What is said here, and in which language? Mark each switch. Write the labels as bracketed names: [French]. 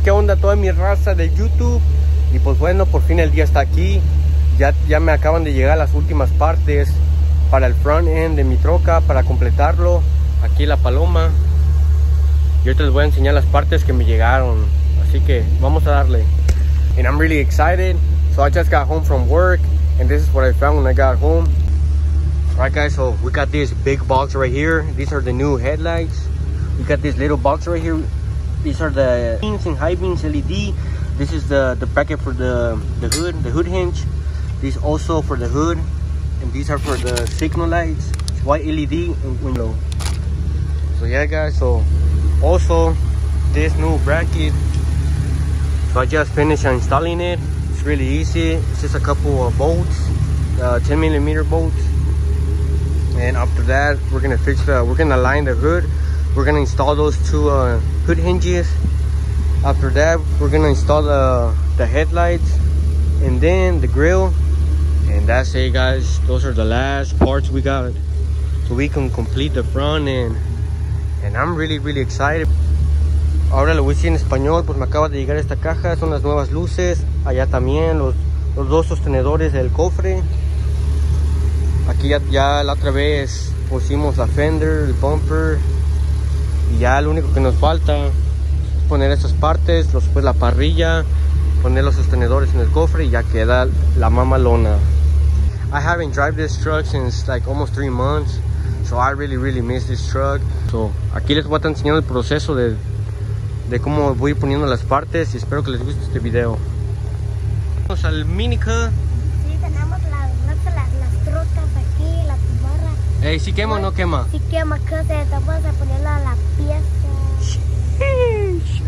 [Spanish] ¿Qué onda toda mi raza de YouTube? Y pues bueno, por fin el día está aquí. Ya me acaban de llegar las últimas partes para el front end de mi troca, para completarlo. Aquí la paloma. Yo te les voy a enseñar las partes que me llegaron. Así que vamos a darle. [English] And I'm really excited. So I just got home from work, and this is what I found when I got home. Alright, guys, so we got this big box right here. These are the new headlights. We got this little box right here. These are the beams and high beams LED. This is the bracket for the hood, the hood hinge. This also for the hood. And these are for the signal lights. It's white LED and window. So yeah, guys, so also this new bracket. So I just finished installing it. It's really easy. It's just a couple of bolts, 10 millimeter bolts. And after that, we're gonna align the hood. We're gonna install those two hood hinges. After that, we're gonna install the headlights and then the grill. And that's it, guys. Those are the last parts we got so we can complete the front end. And I'm really, really excited. [Spanish] Ahora lo voy a decir en español, pues me acaba de llegar esta caja. Son las nuevas luces. Allá también los dos sostenedores del cofre. Aquí ya la otra vez pusimos la fender, el bumper. Y ya lo único que nos falta es poner estas partes, pues la parrilla, poner los sostenedores en el cofre y ya queda la mamalona. [English] I haven't driven this truck since like almost 3 months, so I really, really miss this truck. [Spanish] So aquí les voy a estar enseñando el proceso de cómo voy poniendo las partes y espero que les guste este video. Vamos al Minica. Sí, tenemos las trocas aquí, la tubarra. Hey, ¿sí quema o no quema? Sí quema, que vamos a ponerla a la pieza.